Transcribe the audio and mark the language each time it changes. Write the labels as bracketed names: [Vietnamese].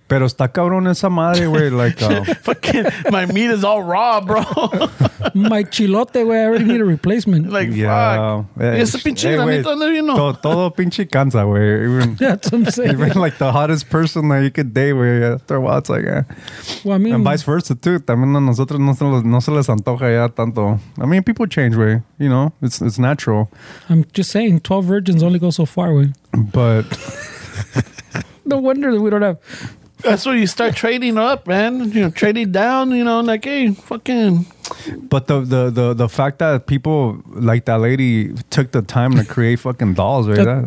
[Spanish] Pero está cabrón esa madre, güey, [English] like, fucking, my meat is all raw, bro. My chilote, güey, I already need a replacement. Like, yeah, fuck. [Spanish] Ese pinche granito, no, [English] you know. [Spanish] Todo pinche cansa, güey. [English] That's what I'm saying. Even, like, the hottest person that you could date, güey, after a while, it's like, Well, I mean. And vice versa, too. [Spanish] También a nosotros no se les antoja ya tanto. [English] I mean, people change, güey, you know, it's natural. I'm just saying, 12 virgins only go so far, güey. But. No wonder that we don't have. That's where you start trading up, man. You know, trading down, you know, like, hey, fucking. But the fact that people like that lady took the time to create fucking dolls, right?